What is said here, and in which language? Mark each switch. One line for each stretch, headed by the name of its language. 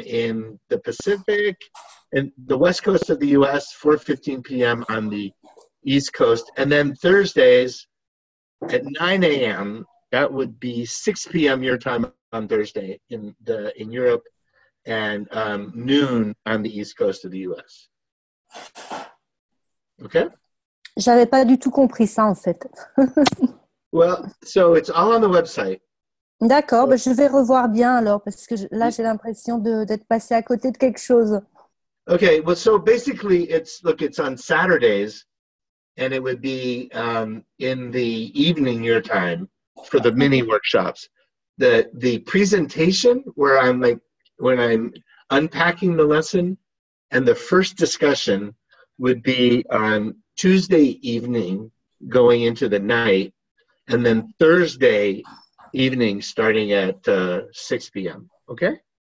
English: in the Pacific, and the West Coast of the U.S., 4:15 p.m. on the East Coast. And then Thursdays at 9 a.m., that would be 6 p.m. your time on Thursday in Europe, and noon on the East Coast of the U.S. Okay?
French: J'avais pas du tout compris ça, en fait.
English: Well, so it's all on the website.
French: D'accord, mais je vais revoir bien alors, parce que là, j'ai l'impression d'être passé à côté de quelque chose.
English: Okay, well, so basically, it's on Saturdays, and it would be in the evening your time for the mini workshops. The presentation where I'm unpacking the lesson, and the first discussion would be on Tuesday evening going into the night, and then Thursday evening starting at 6 p.m., okay?